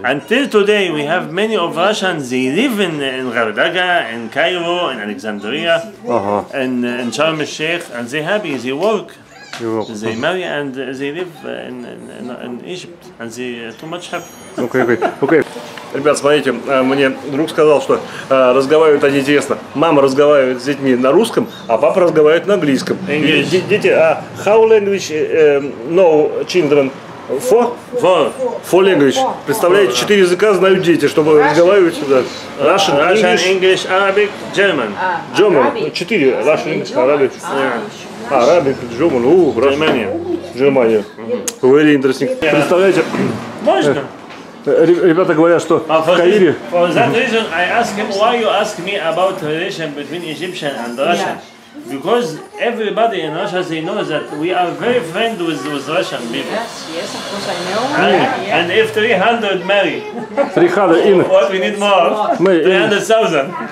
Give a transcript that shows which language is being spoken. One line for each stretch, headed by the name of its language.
English: Until today, we have many of Russians, they live in Gardaga, in Cairo, in Alexandria, in Sharm el-Sheikh, and they're happy, they work. Europe. They marry and they live in Egypt, and they too much have. Okay.
Russian: Ребят, смотрите, мне друг сказал, что разговаривают они тесно. Мама разговаривает с детьми на русском, а папа разговаривает на английском. Дети,
English: how language know children? Four language.
Russian: Представляете, четыре языка знают дети, чтобы разговаривать сюда.
English: Russian, English, Arabic, German. German.
Russian: Четыре.
English: Russian, English, Arabic.
Russian: Арабик, Джуман, Германия.
English: Mm-hmm. Very interesting. Yeah.
Russian: Представляете? Можно. Ребята говорят, что в Каире.
English: For that reason, I ask him why you ask me about relation between Egyptian and Russian. Yeah. Because everybody in Russia they know that we are very friend with Russian people. Yes, of course I know. And if 300 marry. 300 in. What we need more? 300,000.